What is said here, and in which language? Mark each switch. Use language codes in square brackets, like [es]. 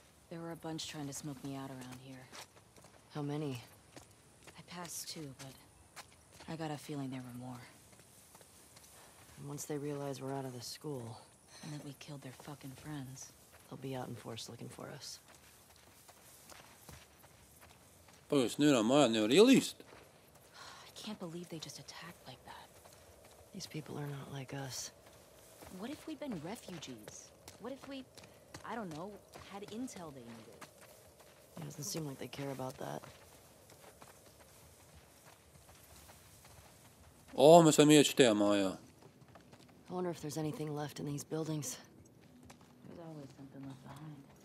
[en] There were a bunch trying to smoke me out around here. How many? I passed two, but I got a feeling there were more. And once they realize we're out of the school, and that we killed their fucking friends, They'll be out in force looking for us. [lv] Pagājus, nevienā mājā nevar ielīst. [en] I can't believe they just attacked like that. These people are not like us. What if we've been refugees? What if we, I don't know, had intel they needed? It doesn't seem like they care about that. [lv] Oh, mēs varam iet šitajā mājā. [en] I wonder if there's anything left in these buildings. There's always something left behind.